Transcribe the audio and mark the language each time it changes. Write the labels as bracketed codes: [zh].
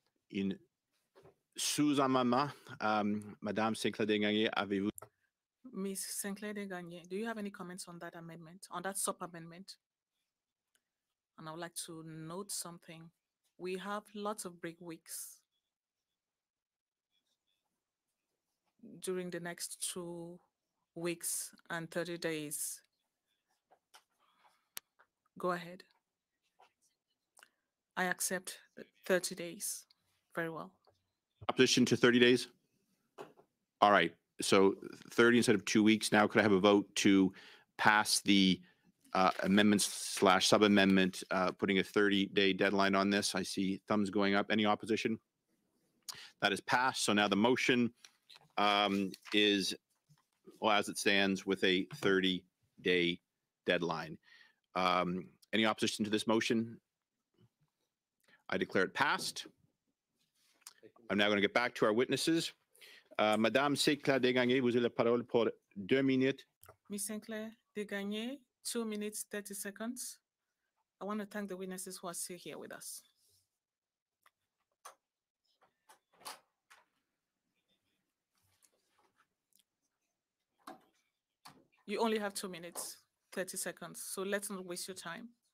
[fr] In sous amendement, Madame Sinclair Degagné, avez-vous? [en] Ms. Sinclair Degagné, do you have any comments on that amendment, on that sub amendment? And I would like to note something. We have lots of break weeks during the next 2 weeks and 30 days. Go ahead. I accept 30 days. Very well. Opposition to 30 days? All right. So 30 instead of 2 weeks. Now, could I have a vote to pass the amendment/sub-amendment, putting a 30-day deadline on this? I see thumbs going up. Any opposition? That is passed. So now the motion is, well, as it stands, with a 30-day deadline. Any opposition to this motion? I declare it passed. I'm now going to get back to our witnesses. [fr] Madame Sinclair Degagné, vous avez la parole pour 2 minutes. [en] Ms. Sinclair Degagné, 2 minutes, 30 seconds. I want to thank the witnesses who are still here with us. You only have 2 minutes, 30 seconds, so let's not waste your time.